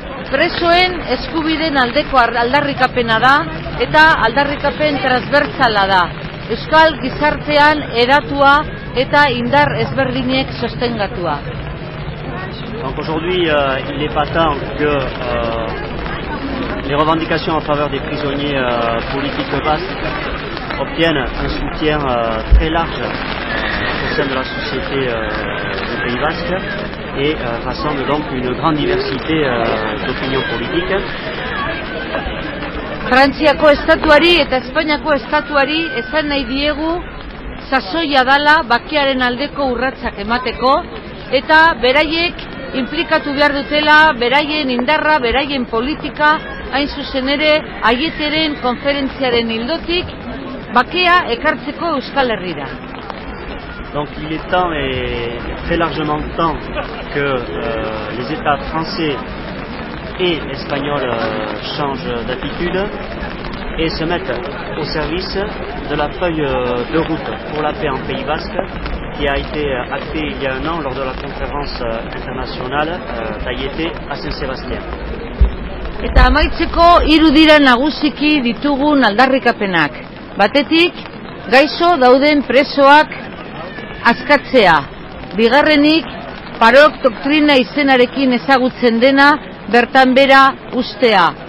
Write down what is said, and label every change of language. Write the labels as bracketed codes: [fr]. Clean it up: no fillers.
[eu] Presoen eskubideen aldeko aldarrikapena da eta aldarrikapen transbertsala da. Euskal gizartean eratua eta indar ezberdinek sostengatua. [fr] Donc aujourd'hui, il n'est pas temps que les revendications en faveur des prisonniers politiques basques obtiennent un soutien très large au sein de la société du Pays Basque et rassemblent donc une grande diversité d'opinions politiques. [eu] Frantziako estatuari eta Espainiako estatuari esan nahi diegu sasoia dala bakearen aldeko urratsak emateko eta beraiek implikatu behar dutela beraien indarra, beraien politika, hain zuzen ere aieteren konferentziaren ildotik bakea ekartzeko Euskal Herrira. [fr] Donc il est temps et très largement temps que les états français et espagnols changent d'attitude et se mettent au service de la feuille de route pour la paix en Pays Basque qui a été actée il y a un an lors de la conférence internationale d'Aiete à Saint-Sébastien. [eu] Eta amaitzeko hiru dira nagusiki ditugun aldarrikapenak. Batetik, gaixo dauden presoak askatzea. Bigarrenik, Parot doktrina izenarekin ezagutzen dena bertan bera ustea.